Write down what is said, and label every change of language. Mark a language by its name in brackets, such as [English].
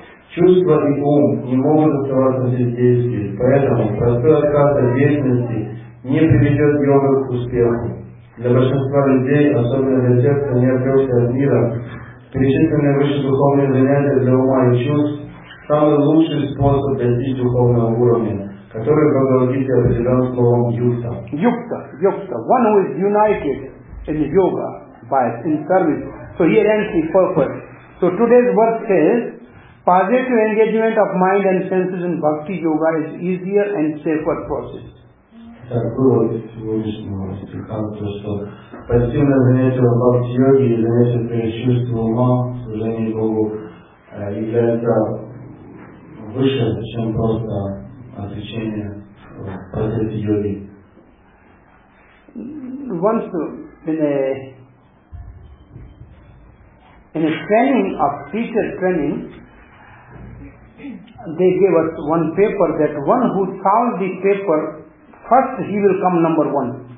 [Russian] Чувства и ум не могут оставаться без действий, поэтому простой отказ от деятельности не приведет йога к успеху. Для большинства людей, особенно для тех, кто не отвлекся от мира, перечисленные высшие духовные занятия для ума и чувств самый лучший способ достичь духовного уровня, который Бхагавадгита определен словом юкта. Юкта, юкта. [English] One who is united in yoga, by in service. So here ends the purpose. So today's verse says, positive engagement of mind and senses in bhakti yoga is easier and safer process. [Russian] Итак, вывод сегодняшнего стиха, то, что пассивное занятие в бхакти йоге и занятие перед чувством ума, служение Богу, является выше, чем просто отвлечение в процессе йоги. [English] Once in a training, a teacher training, they gave us one paper that one who solves the paper, first he will come number one.